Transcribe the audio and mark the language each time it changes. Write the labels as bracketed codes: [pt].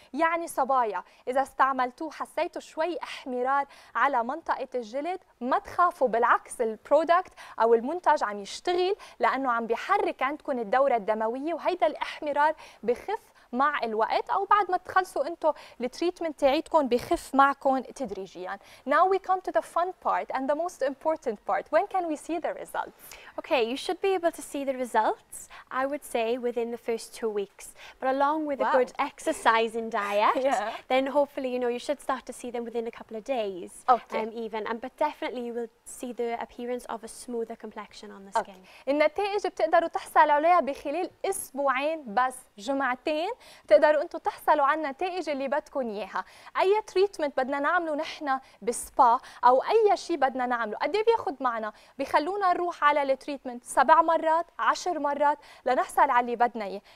[ar] يعني صبايا إذا استعملتوه حسيتوا شوي احمرار على منطقة الجلد ما تخافوا، بالعكس البرودكت أو المنتج عم يشتغل لأنه عم بيحرك عندكم الدورة الدموية وهيدا الاحمرار بخف مع الوقت أو بعد ما تخلصوا أنتوا التريتمنت تاعيتكم بخف معكم تدريجياً. [en] Now we come to the fun part and the most important part. When can we see the results? Okay, you should be able to see the results, I would say, within the first 2 weeks. But along with wow. a good exercise and diet, yeah. then hopefully, you know, you should start to see them within a couple of days. Okay. But definitely you will see the appearance of a smoother complexion on the okay. skin. [ar] النتائج بتقدروا تحصلوا عليها بخلال أسبوعين بس، جمعتين تقدروا انتم تحصلوا على النتائج اللي بدكم اياها. اي تريتمنت بدنا نعمله نحن بسبا او اي شيء بدنا نعمله قد ايه بياخذ معنا؟ بخلونا نروح على التريتمنت 7 مرات 10 مرات لنحصل على اللي بدنا اياه.